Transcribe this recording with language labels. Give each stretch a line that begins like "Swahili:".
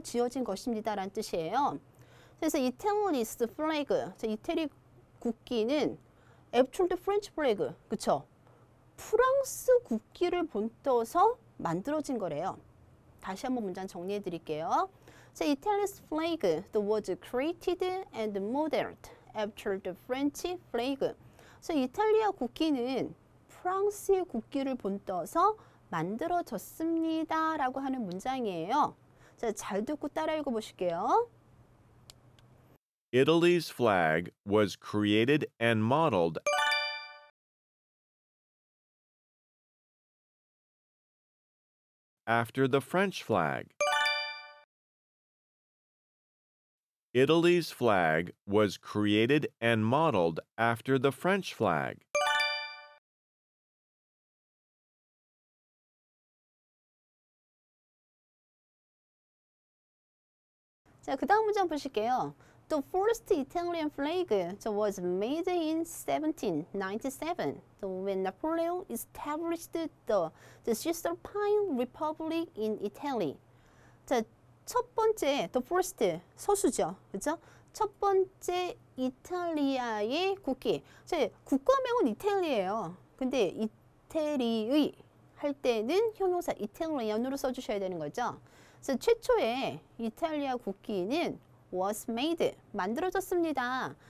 Korean: 지어진 것입니다라는 뜻이에요. 그래서
English: Italy's flag,
Korean: 이태리 국기는
English: after the French flag,
Korean: 그쵸? 프랑스 국기를 본떠서 만들어진 거래요. 다시 한번 문장 정리해 드릴게요.
English: Italy's flag was created and modeled after the French flag.
Korean: 이탈리아 국기는 프랑스의 국기를 본떠서 만들어졌습니다 라고 하는 문장이에요. 자, 잘 듣고 따라 읽어 보실게요.
English: Italy's flag was created and modeled. After the French flag. Italy's flag was created and modeled after the French flag.
Korean: 자, 그다음 문장 보실게요.
English: The first Italian flag was made in 1797 when Napoleon established the Cisalpine Republic in Italy.
Korean: 자, 첫 번째,
English: the first,
Korean: 서수죠, 그렇죠? 첫 번째 이탈리아의 국기. 자, 국가명은 이탈리아예요. 근데 이태리의 할 때는 형용사 Italian으로 써주셔야 되는 거죠. 그래서 최초의 이탈리아 국기는
English: was made,
Korean: 만들어졌습니다.